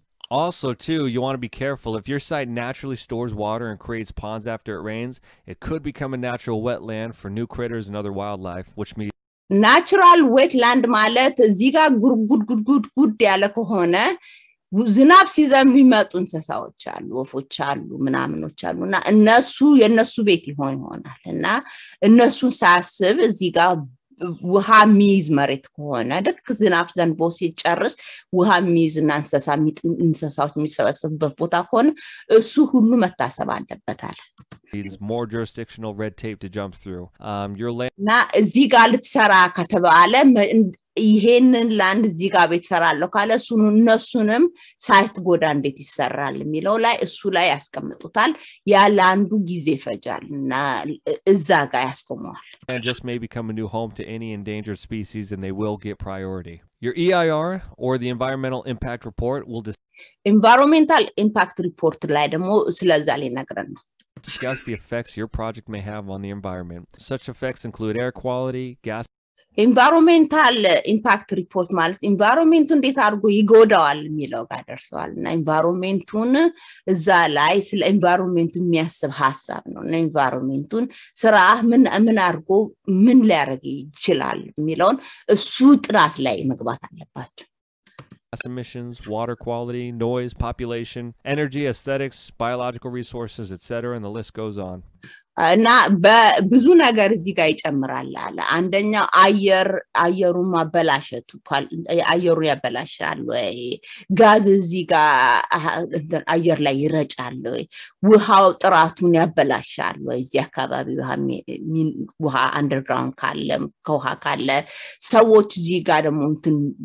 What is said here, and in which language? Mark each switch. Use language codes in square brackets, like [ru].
[en] Also, too, you want to be careful. If your site naturally stores water and creates ponds after it rains, it could become a natural wetland for new critters and other wildlife, which means [am] natural wetland ማለት ዚጋ ጉድ ያለ ከሆነ ዝናብ ሲዘንብ የሚመጡ እንሰሳዎች አሉ ወፎች አሉ ምናምኖች አሉ እና እነሱ የነሱ ቤት ይሆናል እና እነሱን ሳስብ ዚጋ ውሃ ሚዝ መሬት ከሆነ ደክ ዝናብ ዘንቦ ሲጨርስ ውሃ ሚዝ እና እንሰሳዎች የሚሰበሰብበት ቦታ ከሆነ እሱ ሁሉ መታሰብ አለበታል. [en] It's more jurisdictional red tape to jump through. Your land [am] ና እዚህ ጋር ልትሰራ ከተባለ ይሄንን ላንድ እዚህ ጋር ቤትሰራለሁ ካለ እሱን እነሱንም ሳይት ጎዳ እንዴት ይሰራል የሚለው ላይ እሱ ላይ ያስቀምጡታል ያ ለአንዱ ጊዜ ፈጃል እና እዛ ጋር ያስቆመዋል. [en] And just may become a new home to any endangered species and they will get priority. Your EIR or the environmental impact report will [am] environmental impact report ላይ ደግሞ ስለዛ ሊነግረን [en] discuss the effects your project may have on the environment. Such effects include air quality, gas. [am] environmental impact report ማለት environment እንዴት አርጎ ይጎዳዋል የሚለው ጋር ደርሷልና environmentን እዛ ላይ ስለ environment የሚያስብ ሐሳብ ነው እና environmentን ስራ ምን አርጎ ምን ሊያርግ ይችላል የሚለውን እሱ ጥራት ላይ መግባት አለባቸው. [en] Emissions, water quality, noise, population, energy, aesthetics, biological resources, etc. and the list goes on. [am] እና በብዙ ነገር እዚህ ጋር ይጨምራል አለ አንደኛው አየሩ ማበላሸቱ አየሩ ያበላሻል ወይ ጋዝ እዚህ ጋር አየር ላይ ይረጫል ወይ ውሃው ጥራቱን ያበላሻል ወይ እዚህ አካባቢ ውሃ አንደርግራውንድ ካለ ከውሃ ካለ ሰዎች እዚህ ጋር ደግሞ እንትን